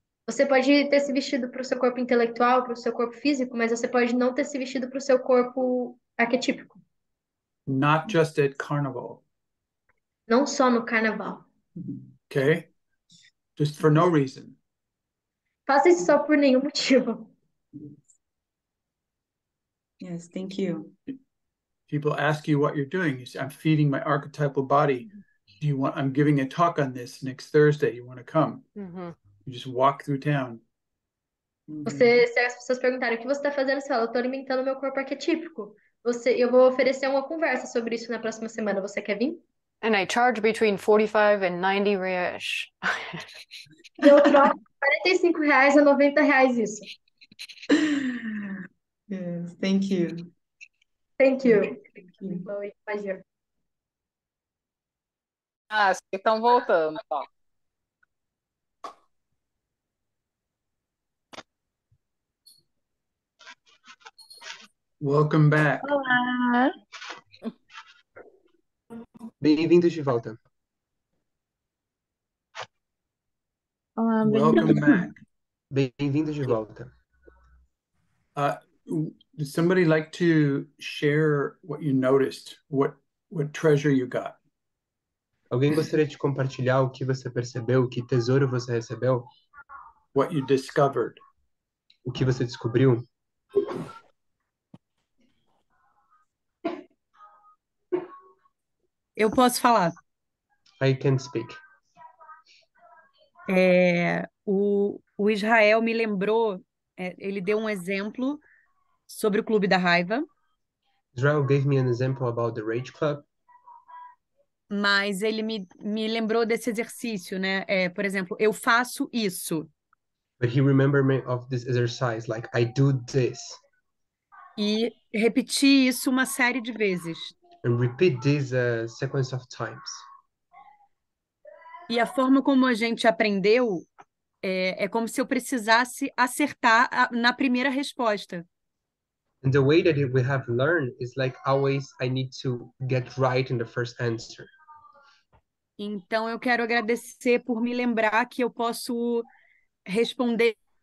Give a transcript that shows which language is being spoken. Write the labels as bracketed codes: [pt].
[pt] Você pode ter se vestido para o seu corpo intelectual, para o seu corpo físico, mas você pode não ter se vestido para o seu corpo arquetípico. [en] Not just at carnival. [pt] Não só no carnaval. [en] Okay? Just for no reason. [pt] Faça isso só por nenhum motivo. [en] Yes, thank you. People ask you what you're doing. You say, I'm feeding my archetypal body. Do you want, I'm giving a talk on this next Thursday. You want to come? You just walk through town. [pt] Se as pessoas perguntarem o que você está fazendo, você fala, eu estou alimentando meu corpo arquetípico. Eu vou oferecer uma conversa sobre isso na próxima semana. Você quer vir? [en] And I charge between 45 and 90 reais. [pt] E eu troco R$ 45 a R$ 90 isso. [en] Yes, thank you. Thank you. Thank you. [pt] Foi um prazer. Ah, acho que estão voltando, ó. [en] Welcome back. [pt] Olá. Bem-vindos de volta. Olá, [en] Welcome back. [pt] bem-vindo. Bem-vindos de volta. [en] Does somebody like to share what you noticed? What treasure you got? [pt] Alguém gostaria de compartilhar o que você percebeu, que tesouro você recebeu? [en] What you discovered? [pt] O que você descobriu? [en] Yeah, [pt] Eu posso falar. [en] I can speak. [pt] O Israel me lembrou, ele deu um exemplo sobre o Clube da Raiva. [en] Israel gave me an example about the Rage Club. [pt] Mas ele me lembrou desse exercício, né? Por exemplo, eu faço isso. [en] But he remembered me of this exercise, like I do this. [pt] E repeti isso uma série de vezes. [en] And repeat this sequence of times. [pt] E a forma como a gente aprendeu é como se eu precisasse acertar na primeira resposta. [en] And the way that we have learned is like always I need to get right in the first answer. [pt] Então, eu quero agradecer por me lembrar que eu posso responder.